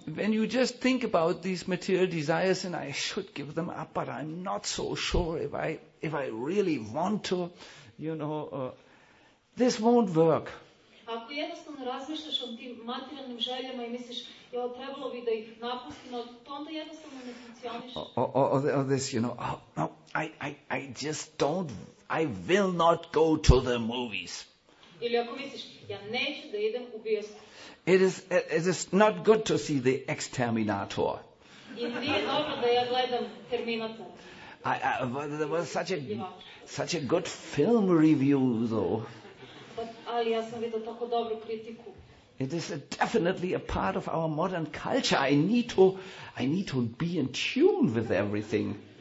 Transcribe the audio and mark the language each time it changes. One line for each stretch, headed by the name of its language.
English: When you just think about these material desires and I should give them up, but I'm not so sure if I really want to, you know, this won't work.
Serbian: Ako jednostavno razmišljaš o tim materijalnim željama i misliš, jo, trebalo bi da ih napustim, no to onda jednostavno ne funkcioniš.
English: Or this, you know, I just don't, I will not go to the movies.
Serbian: Ili ako misliš, ja neću da idem u bioskop.
English: It is not good to see the Exterminator.
Serbian: I nije dobro da ja gledam Terminator.
English: There was such a good film review, though.
Serbian: Ali ja sam vidio tako dobru kritiku.
English: It is definitely a part of our modern culture. I need to be in tune with everything.